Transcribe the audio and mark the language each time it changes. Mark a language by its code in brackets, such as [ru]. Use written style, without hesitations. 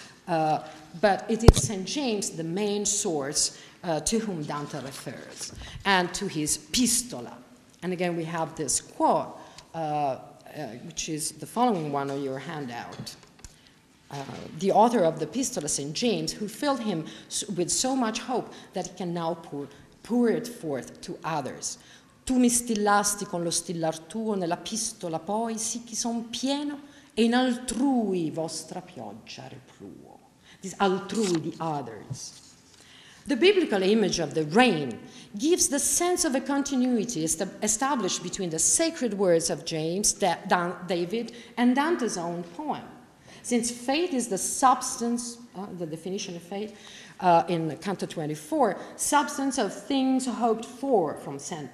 [en] But it is St. James, the main source, to whom Dante refers, and to his pistola. And again, we have this quote, which is the following one on your handout. The author of the pistola, St. James, who filled him with so much hope that he can now pour it forth to others. [it] Tu mi stillasti con lo stillar tuo nella pistola poi, sì che son pieno, e in altrui vostra pioggia repluo. [en] This altrui, the others. The biblical image of the rain gives the sense of a continuity established between the sacred words of James, David, and Dante's own poem. Since faith is the substance, the definition of faith in Canto 24, substance of things hoped for from St.